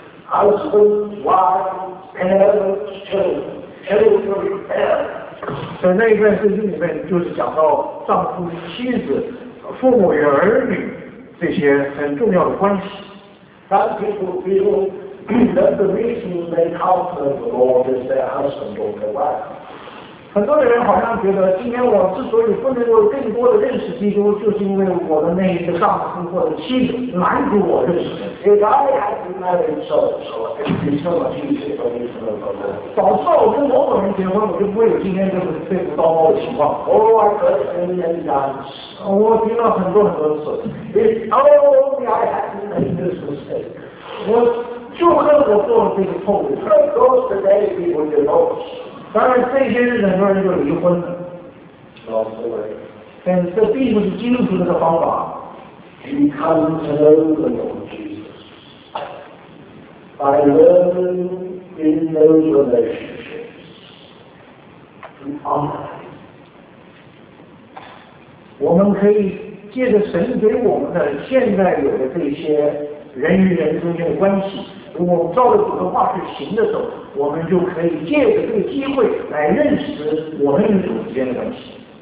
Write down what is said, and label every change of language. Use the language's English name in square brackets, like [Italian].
[English] Husbands, wives, parents, children, children, parents. [Chinese] 在那一段圣经里面，就是讲到丈夫、妻子、父母与儿女这些很重要的关系。 [English] Some people feel that the reason they come to the Lord is their husband or their wife. [Chinese] 很多的人好像觉得，今天我之所以不能够更多的认识基督，就是因为我的那一个丈夫或者妻子拦住我认识。 [English] If I had married so-and-so, it would be so much easier for me to know God. [Chinese] 早知道我跟某某人结婚，我就不会有今天这种被刀的情况。 [English] Oh, I've heard many, many times. [Chinese] 我听到很多很多次。 [English] If only I had made this mistake. [Chinese] 我就恨我做了这个错误。 [English] Of course, today people divorce. [Chinese] 当然，这些日子很多人就离婚了。 [English] Oh, boy. [Chinese] 但这并不是基督徒的方法。 [English] You come to know the Lord Jesus. By learning in those relationships to honor Him. [Chinese] 我们可以借着神给我们的现在有的这些人与人之间的关系，如果照着主的话去行的时候，我们就可以借着这个机会来认识我们与主之间的关系。